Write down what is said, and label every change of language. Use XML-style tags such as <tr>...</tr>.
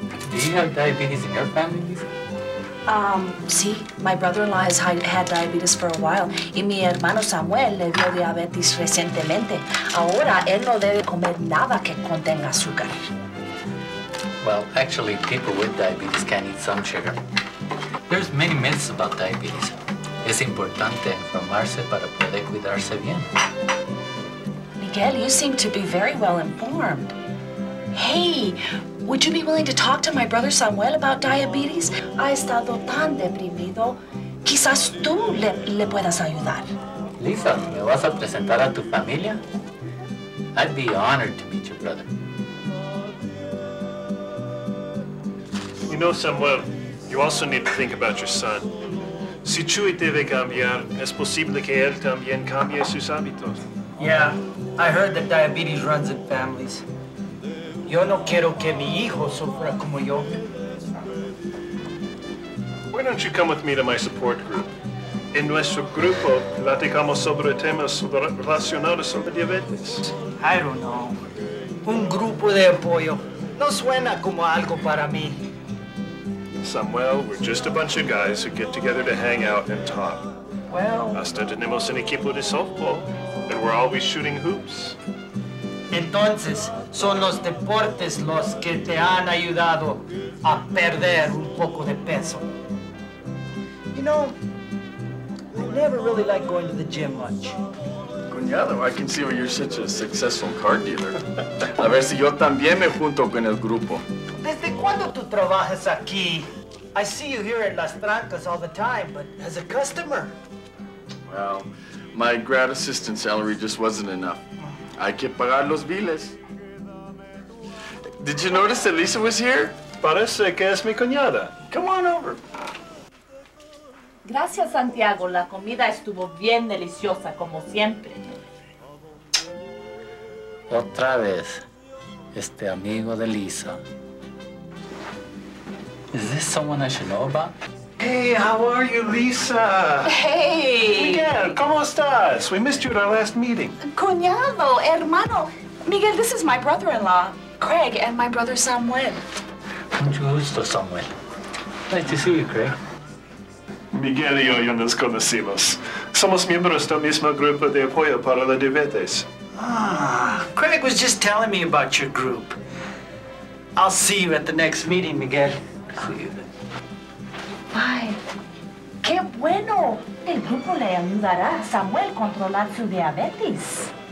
<es>¿Tienes diabetes en tu familia?</es> <en>See, my brother-in-law has had diabetes for a while.</en> <es>Y mi hermano Samuel le dio diabetes recientemente. Ahora él no debe comer nada que contenga azúcar.</es> <en>Well, actually, people with diabetes can eat some sugar. There's many myths about diabetes.</en> <es>Es importante informarse para poder cuidarse bien.</es> <en>Miguel, you seem to be very well informed. Hey, would you be willing to talk to my brother Samuel about diabetes?</en> <es>Ha estado tan deprimido. Quizás tú le puedas ayudar. Lisa, ¿me vas a presentar a tu familia?</es> <en>I'd be honored to meet your brother. You know, Samuel, you also need to think about your son.</en> <es>Si Chuy debe cambiar, es posible que él también cambie sus hábitos.</es> <en>Yeah, I heard that diabetes runs in families.</en> <es>Yo no quiero que mi hijo sufra como yo.</es> <en>Why don't you come with me to my support group?</en> <es>En nuestro grupo, platicamos sobre temas relacionados sobre diabetes.</es> <en>I don't know.</en> <es>Un grupo de apoyo no suena como algo para mí.</es> <en>Samuel, we're just a bunch of guys who get together to hang out and talk. Well...</en> <es>Hasta tenemos un equipo de softball,</es> <en>and we're always shooting hoops.</en> <es>Entonces, son los deportes los que te han ayudado a perder un poco de peso.</es> <en>You know, I never really liked going to the gym much. Cuñado, I can see why you're such a successful car dealer.</en> <es>A ver si yo también me junto con el grupo. ¿Desde cuándo tú trabajas aquí?</es> <en>I see you here at Las Trancas all the time, but as a customer. Well, my grad assistant salary just wasn't enough.</en> <es>Hay que pagar los biles.</es> <en>Did you notice that Lisa was here?</en> <es>Parece que es mi cuñada.</es> <en>Come on over.</en> <es>Gracias, Santiago. La comida estuvo bien deliciosa, como siempre. Otra vez, este amigo de Lisa.</es> <en>Is this someone I should know about? Hey, how are you, Lisa? Hey! Miguel,</en> <es>¿cómo estás?</es> <en>We missed you at our last meeting.</en> <es>Cuñado, hermano.</es> <en>Miguel, this is my brother-in-law, Craig, and my brother, Samuel.</en> <es>Mucho gusto,</es> <en>Samuel. Nice to see you, Craig.</en> <es>Miguel y yo nos conocimos. Somos miembros del mismo grupo de apoyo para la diabetes.</es> <en>Ah, Craig was just telling me about your group. I'll see you at the next meeting, Miguel.</en> <es>Ay, qué bueno. El grupo le ayudará a Samuel a controlar su diabetes.</es>